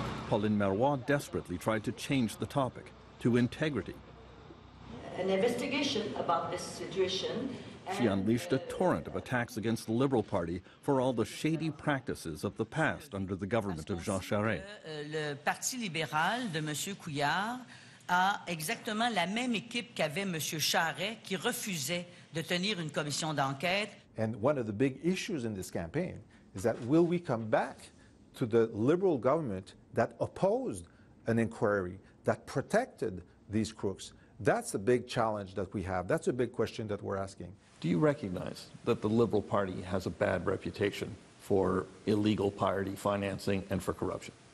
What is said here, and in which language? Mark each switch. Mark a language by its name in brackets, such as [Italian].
[English] Pauline Marois desperately tried to change the topic to integrity. An investigation about this situation. She unleashed a torrent of attacks against the Liberal Party for all the shady practices of the past under the government of Jean Charest. [French] Le Parti libéral de Monsieur Couillard a exactement la même équipe qu'avait Monsieur Charest qui refusait de tenir une commission d'enquête. [English] And one of the big issues in this campaign is that will we come back to the Liberal government that opposed an inquiry, that protected these crooks? That's a big challenge that we have. That's a big question that we're asking. Do you recognize that the Liberal Party has a bad reputation for illegal party financing and for corruption?